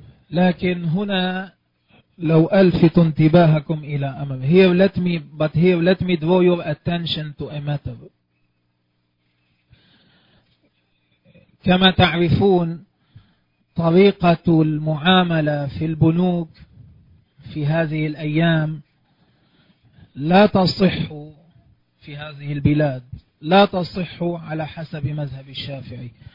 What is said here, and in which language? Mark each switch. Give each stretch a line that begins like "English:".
Arabic: لكن هنا لو ألفت انتباهكم إلى أمر.
English: Here let me draw your attention to a matter.
Arabic: كما تعرفون طريقة المعاملة في البنوك في هذه الأيام لا تصح في هذه البلاد, لا تصح على حسب مذهب الشافعي.